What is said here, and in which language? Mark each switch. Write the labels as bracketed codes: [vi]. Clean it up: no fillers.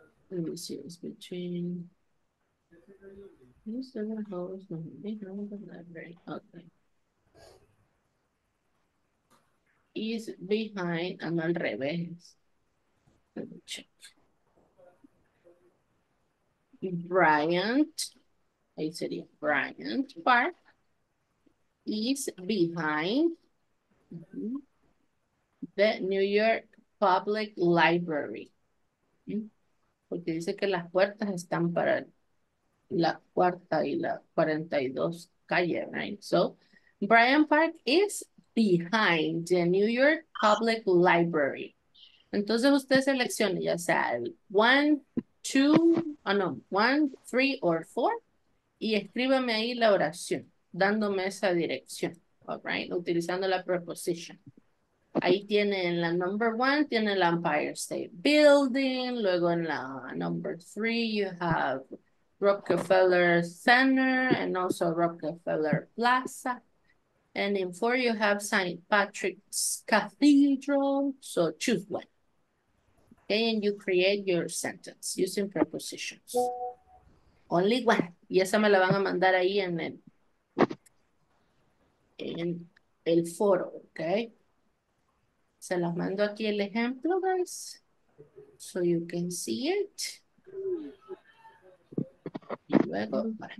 [en] the New York Public Library. [es] Porque dice que las puertas están para la cuarta y la 42 calle, right? [en] So, Bryant Park is behind the New York Public Library. [es] Entonces usted seleccione ya sea el 1, 3, or 4 y escríbame ahí la oración, dándome esa dirección, all right? Utilizando la preposición. Ahí tiene en la number one, tiene el Empire State Building. Luego en la [en] number three, you have Rockefeller Center and also Rockefeller Plaza. And in four, you have St. Patrick's Cathedral. So choose one. Okay, and you create your sentence using prepositions. Only one. [es] Y esa me la van a mandar ahí en el foro, okay? Se las mando aquí el ejemplo, guys, [en] so you can see it. [es] Y luego,